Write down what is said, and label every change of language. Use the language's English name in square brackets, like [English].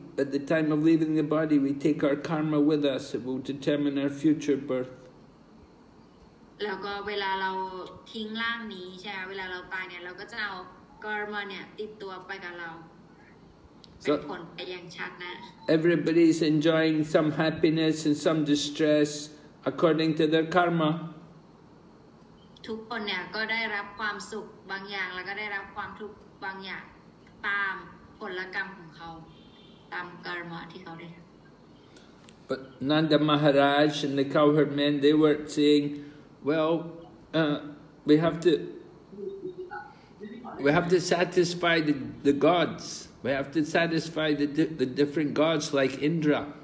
[English] At the time of leaving the body, we take our karma with us. It will determine our future birth. [Thai] แล้วก็เวลาเราทิ้งร่างนี้ใช่ไหมเวลาเราตายเนี่ยเราก็จะเอากรรมเนี่ยติดตัวไปกับเราเป็นผลไปยังชาตินะ [English] Everybody is enjoying some happiness and some distress according to their karma. [Thai] ทุกคนเนี่ยก็ได้รับความสุขบางอย่างแล้วก็ได้รับความทุกข์บางอย่างตามผลกรรมของเขาตามกรรมที่เขาได้ [English] But Nanda Maharaj and the cowherd men they were saying. Well, we have to satisfy the gods. We have to satisfy the different gods like Indra.